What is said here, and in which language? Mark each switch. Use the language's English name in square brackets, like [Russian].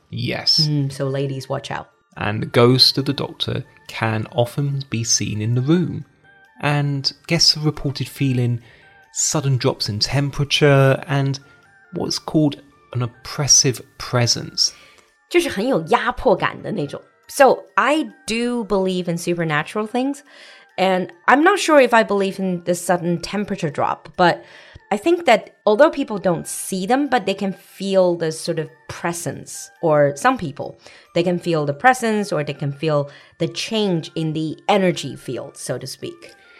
[English] Yes. So ladies, watch out. And the ghost of the doctor can often be seen in the room. And guests have reported feeling sudden drops in temperature and what's called an oppressive presence. [Chinese] 就是很有压迫感的那种。 [English] So I do believe in supernatural things. And I'm not sure if I believe in the sudden temperature drop, but... I think that although people don't see them, but they can feel the sort of presence, or some people, they can feel the presence or they can feel the change in the energy field, so to speak.